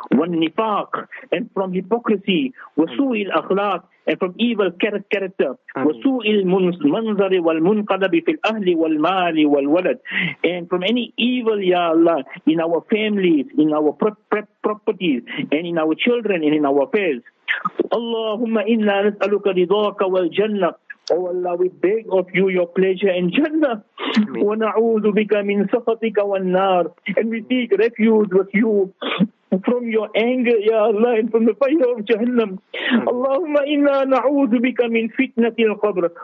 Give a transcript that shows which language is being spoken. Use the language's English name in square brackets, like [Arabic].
[Arabic] والنفاق, [English] and from hypocrisy. [Arabic] وسوء الأخلاق, [English] and from evil character. [Arabic] وسوء المنظر والمنقلب في الأهل والمال والولد, [English] and from any evil, Ya Allah, in our families, in our properties, and in our children, and in our affairs. [Arabic] اللهم إنا نسألك رضاك والجنة. [English] Oh Allah, we beg of you your pleasure in Jannah. [Arabic] Wa na'udhu bika min sakhatika wan nar. [English] And we seek refuge with you from your anger, Ya Allah, and from the fire of Jahannam. [Arabic] Allahumma inna na'udhu bika min fitnati al-qabr.